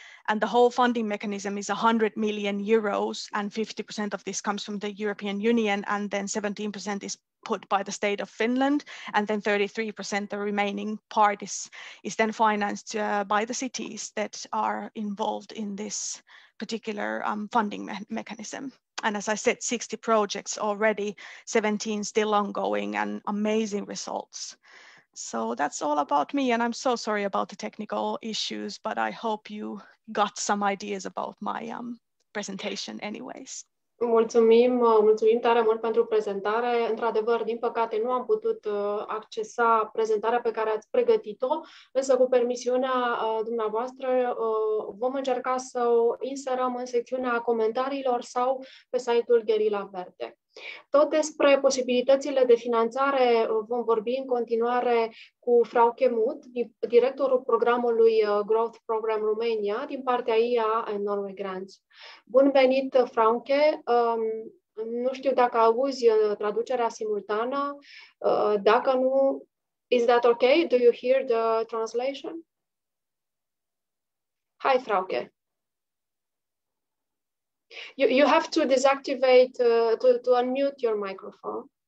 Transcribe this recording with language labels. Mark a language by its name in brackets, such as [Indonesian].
[English] And the whole funding mechanism is 100 million euros, and 50% of this comes from the European Union, and then 17% is put by the state of Finland, and then 33%, the remaining part is then financed by the cities that are involved in this particular funding mechanism. And as I said, 60 projects already, 17 still ongoing, and amazing results. So that's all about me, and I'm so sorry about the technical issues, but I hope you got some ideas about my presentation anyways. [Romanian] Mulțumim, mulțumim tare mult pentru prezentare. Într-adevăr, din păcate, nu am putut accesa prezentarea pe care ați pregătit-o, însă cu permisiunea dumneavoastră vom încerca să o inserăm în secțiunea comentariilor sau pe site-ul Gherila Verde. Tot despre posibilitățile de finanțare vom vorbi în continuare cu Frauke Muth, directorul programului Growth Program Romania, din partea IA and Norway Grants. Bun venit, Frauke! Nu știu dacă auzi traducerea simultană. Dacă nu, [English] is that okay? Do you hear the translation? Hi, Frauke. You have to deactivate to unmute your microphone.